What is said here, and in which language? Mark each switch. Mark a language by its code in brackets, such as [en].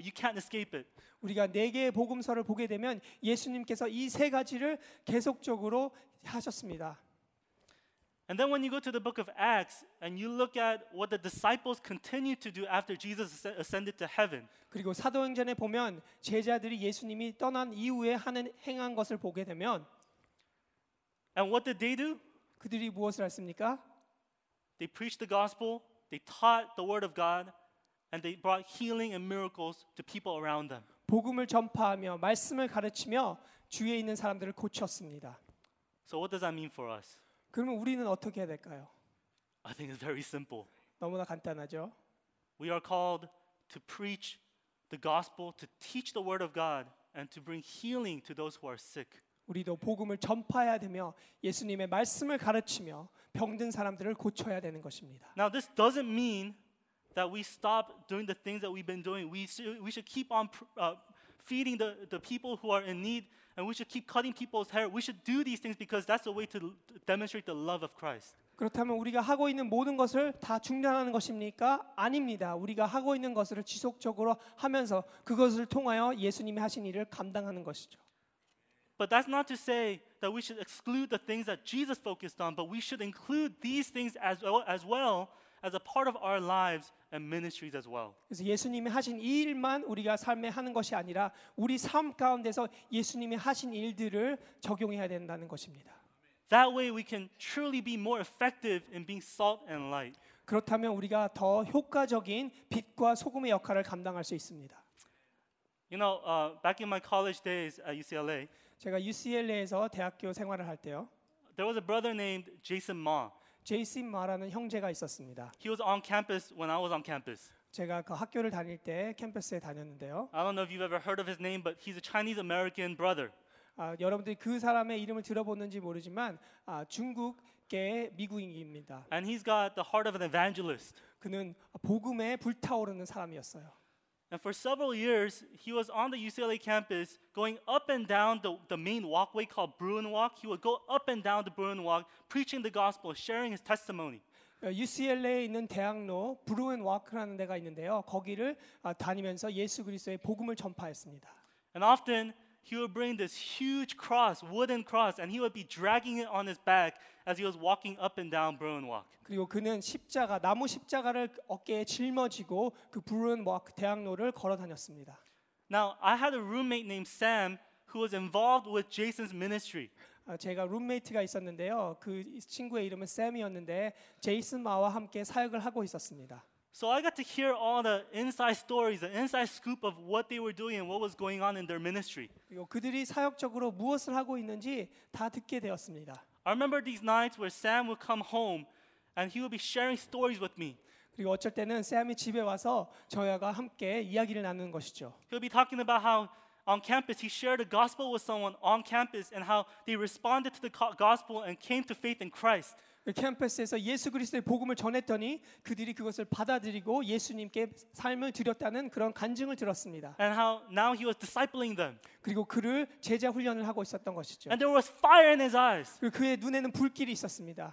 [en] You can't escape it. [ko] 우리가 네 개의 복음서를 보게 되면 예수님께서 이 세 가지를 계속적으로 하셨습니다. [en] And then when you go to the book of Acts and you look at what the disciples continued to do after Jesus ascended to heaven. [ko] 그리고 사도행전에 보면 제자들이 예수님이 떠난 이후에 하는 행한 것을 보게 되면 [en] And what did they do? [ko] 그들이 무엇을 했습니까? [en] They preached the gospel, they taught the word of God, and they brought healing and miracles to people around them. [ko] 복음을 전파하며 말씀을 가르치며 주위에 있는 사람들을 고쳤습니다. [en] So what does that mean for us? [ko] 그러면 우리는 어떻게 해야 될까요? [en] I think it's very simple. [ko] 너무나 간단하죠. [en] We are called to preach the gospel, to teach the word of God, and to bring healing to those who are sick. [ko] 우리도 복음을 전파해야 되며 예수님의 말씀을 가르치며 병든 사람들을 고쳐야 되는 것입니다. [en] Now this doesn't mean that we stop doing the things that we've been doing. We should keep on feeding the people who are in need, and we should keep cutting people's hair. We should do these things because that's a way to demonstrate the love of Christ. [ko] 그렇다면 우리가 하고 있는 모든 것을 다 중단하는 것입니까? 아닙니다. 우리가 하고 있는 것을 지속적으로 하면서 그것을 통하여 예수님이 하신 일을 감당하는 것이죠. [en] But that's not to say that we should exclude the things that Jesus focused on, but we should include these things as well as a part of our lives and ministries as well. [ko] 그래서 예수님이 하신 일만 우리가 삶에 하는 것이 아니라 우리 삶 가운데서 예수님이 하신 일들을 적용해야 된다는 것입니다. [en] That way we can truly be more effective in being salt and light. [ko] 그렇다면 우리가 더 효과적인 빛과 소금의 역할을 감당할 수 있습니다. [en] You know, back in my college days at UCLA, [ko] 제가 UCLA에서 대학교 생활을 할 때요. [en] There was a brother named Jason Ma. [ko] Jason Ma라는 형제가 있었습니다. [en] He was on campus when I was on campus. [ko] 제가 그 학교를 다닐 때 캠퍼스에 다녔는데요. [en] I don't know if you've ever heard of his name, but he's a Chinese American brother. [ko] 아, 여러분들이 그 사람의 이름을 들어보는지 모르지만 아, 중국계 미국인입니다. [en] And he's got the heart of an evangelist. [ko] 그는 복음에 불타오르는 사람이었어요. [en] And for several years, he was on the UCLA campus going up and down the main walkway called Bruin Walk. He would go up and down the Bruin Walk preaching the gospel, sharing his testimony. [ko] UCLA에 있는 대학로 Bruin Walk라는 데가 있는데요. 거기를 다니면서 예수 그리스도의 복음을 전파했습니다. [en] And often, he would bring this huge cross, wooden cross, and he would be dragging it on his back as he was walking up and down Bruin Walk. [ko] 그리고 그는 십자가, 나무 십자가를 어깨에 짊어지고 그 Bruin Walk 대학로를 걸어 다녔습니다. [en] Now, I had a roommate named Sam who was involved with Jason's ministry. [ko] 제가 룸메이트가 있었는데요. 그 친구의 이름은 샘이었는데 제이슨 마와 함께 사역을 하고 있었습니다. [en] So I got to hear all the inside stories, the inside scoop of what they were doing and what was going on in their ministry. [ko] 그들이 사역적으로 무엇을 하고 있는지 다 듣게 되었습니다. [en] I remember these nights where Sam would come home and he would be sharing stories with me. [ko] 그리고 어쩔 때는 샘이 집에 와서 저희가 함께 이야기를 나누는 것이죠. [en] He would be talking about how on campus he shared the gospel with someone on campus and how they responded to the gospel and came to faith in Christ. [ko] 캠퍼스에서 예수 그리스도의 복음을 전했더니 그들이 그것을 받아들이고 예수님께 삶을 드렸다는 그런 간증을 들었습니다. [en] And how now he was discipling them. [ko] 그리고 그를 제자 훈련을 하고 있었던 것이죠. [en] And there was fire in his eyes. [ko] 그리고 그의 눈에는 불길이 있었습니다.